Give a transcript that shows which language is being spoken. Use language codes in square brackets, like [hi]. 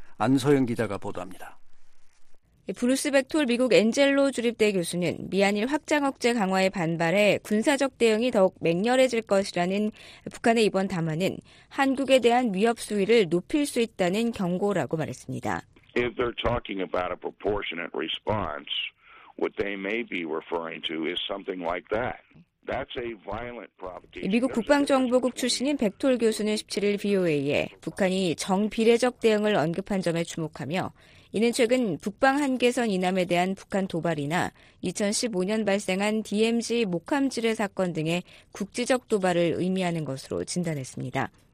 [ko] 안소영 기자가 보도합니다. 브루스 백톨 미국 엔젤로 주립대 교수는 미한일 확장 억제 강화에 반발해 군사적 대응이 더욱 맹렬해질 것이라는 북한의 이번 담화는 한국에 대한 위협 수위를 높일 수 있다는 경고라고 말했습니다. [en] If they're talking about a proportionate response, what they may be referring to is something like that. [ko] 미국 국방정보국 출신인 백톨 교수는 17일 VOA에 북한이 정비례적 대응을 언급한 점에 주목하며 이는 최근 북방 한계선 이남에 대한 북한 도발이나 2015년 발생한 DMZ 목함지뢰 사건 등의 국지적 도발을 의미하는 것으로 진단했습니다.